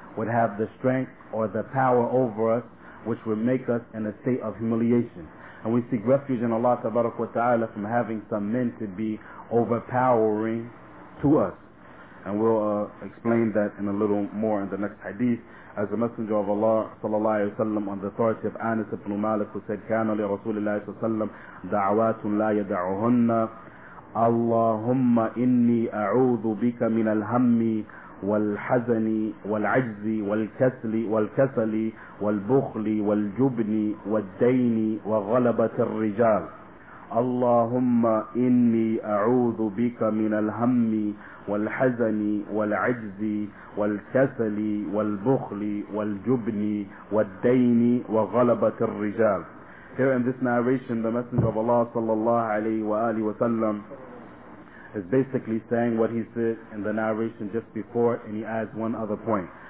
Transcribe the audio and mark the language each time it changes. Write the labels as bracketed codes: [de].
[en] would have the strength or the power over us, which would make us in a state of humiliation. And we seek refuge in Allah subhanahu wa ta'ala from having some men to be overpowering to us. And we'll explain that in a little more in the next hadith. As the Messenger of Allah sallallahu alayhi wa sallam, on the authority of Anas ibn Malik, who said, [ar] كَانَ لِرَسُولِ اللَّهِ صَلَّى اللَّهُ عَلَيْهِ وَسَلَّمَ دَعْوَاتٌ لَا يَدَعُهُنَّ اللَّهُمَّ إِنِّي أَعُوذُ بِكَ مِنَ الْهَمِّ والحزن والعجز والكسل والكسل والبخل والجبن والدين وغلبة الرجال. اللهم إني أعوذ بك من الهم والحزن والعجز والكسل والبخل والجبن والدين وغلبة الرجال. [en] Here in this narration, the Messenger of Allah sallallahu alayhi wa alihi wa sallam is basically saying what he said in the narration just before, and he adds one other point.